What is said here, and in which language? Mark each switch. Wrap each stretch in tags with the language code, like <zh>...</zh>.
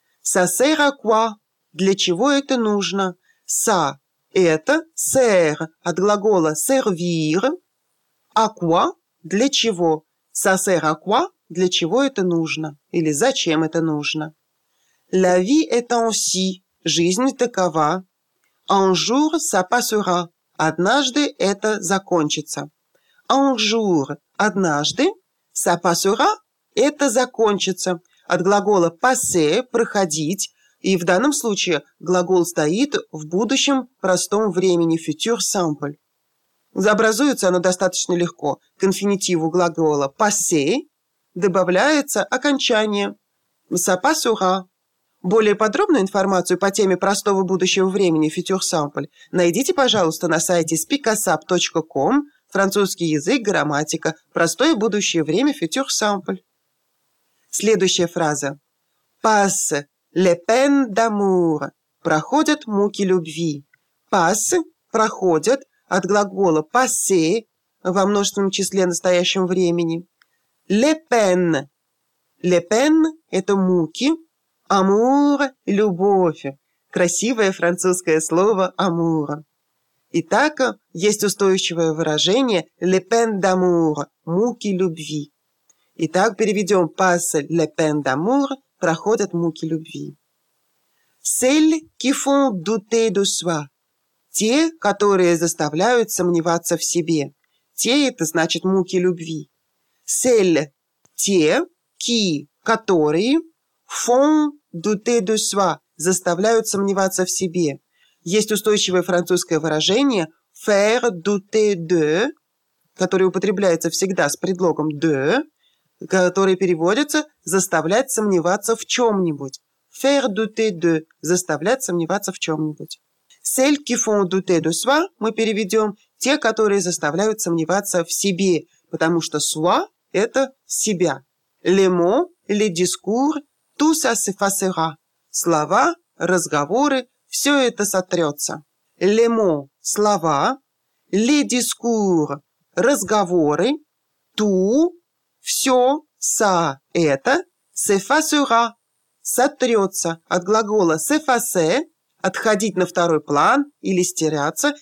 <fr>«Ça sert à quoi»</fr> <ru>– «для чего это нужно?» «Ça» – «это», «sert» – от глагола «servir», «à quoi» – «для чего?»</ru> <fr>«Ça sert à quoi»</fr> <ru>– «для чего это нужно?» или «зачем это нужно?»</ru> <fr>«La vie est ainsi».</fr> <ru>Жизнь такова.</ru> <fr>Un jour ça passera.</fr> <ru>Однажды это закончится.</ru> <fr>Un jour – однажды.</fr> <ru>Ça passera – это закончится. От глагола passer – проходить. И в данном случае глагол стоит в будущем простом времени.</ru> <fr>Future simple.</fr> <ru>Образуется оно достаточно легко. К инфинитиву глагола passer добавляется окончание.</ru> <fr>Ça passera.</fr> <ru>Более подробную информацию по теме простого будущего времени «Future Sample» найдите, пожалуйста, на сайте speakasap.com «Французский язык, грамматика. Простое будущее время «Future Sample». Следующая фраза.</ru> <fr>«Passe les peines d'amour» –</fr> <ru>«проходят муки любви». «Passe» – «проходят» от глагола «passer» во множественном числе настоящем времени.</ru> <fr>«Les peines» – «les peines» – это «муки».</fr> <ru>Amour – любовь. Красивое французское слово amour. Итак, есть устойчивое выражение «les peines d'amour» – «муки любви». Итак, переведем</ru> <fr>«passe les peines d'amour»</fr> <ru>– «проходят муки любви».</ru> <fr>Celles qui font douter de soi –</fr> <ru>«те, которые заставляют сомневаться в себе». «Те» – это значит «муки любви». Celles – «те», «qui» – «которые», «font» – «douter de soi» – «заставляют сомневаться в себе». Есть устойчивое французское выражение «faire douter de», которое употребляется всегда с предлогом «de», которое переводится «заставлять сомневаться в чем-нибудь». «Faire douter de» – «заставлять сомневаться в чем-нибудь».</ru> <fr>«Celles qui font douter de soi»</fr> <ru>мы переведем «те, которые заставляют сомневаться в себе», потому что «soi» – это «себя».</ru> <fr>«Les mots», «les discours», «Tout ça s'effacera» –</fr> <ru>слова, разговоры, все это сотрется. «Les mots» – слова, «les discours» – разговоры, «tout» – все, «ça» – это, «s'effacera» – сотрется от глагола «s'effacer» – отходить на второй план или стираться.</ru>